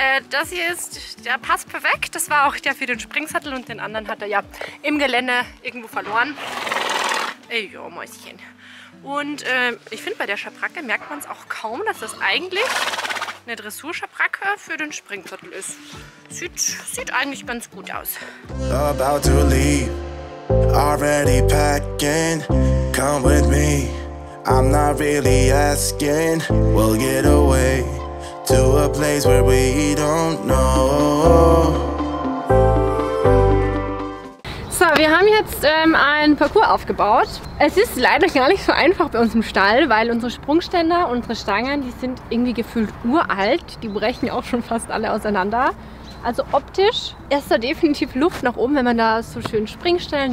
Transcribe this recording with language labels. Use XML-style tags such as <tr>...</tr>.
<de>Das hier ist der passt perfekt. Das war auch der für den Springsattel und den anderen hat er ja im Gelände irgendwo verloren. Ja, Mäuschen. Und ich finde, bei der Schabracke merkt man es auch kaum, dass das eigentlich eine Dressurschabracke für den Springsattel ist. Sieht eigentlich ganz gut aus.</de> <en>About to leave, already packing. Come with me, I'm not really asking. We'll get away to a place where we don't know.</en> <de>Wir haben jetzt einen Parcours aufgebaut. Es ist leider gar nicht so einfach bei uns im Stall, weil unsere Sprungständer, unsere Stangen, die sind irgendwie gefühlt uralt. Die brechen auch schon fast alle auseinander. Also optisch ist da definitiv Luft nach oben, wenn man da so schön Springstellen.</de>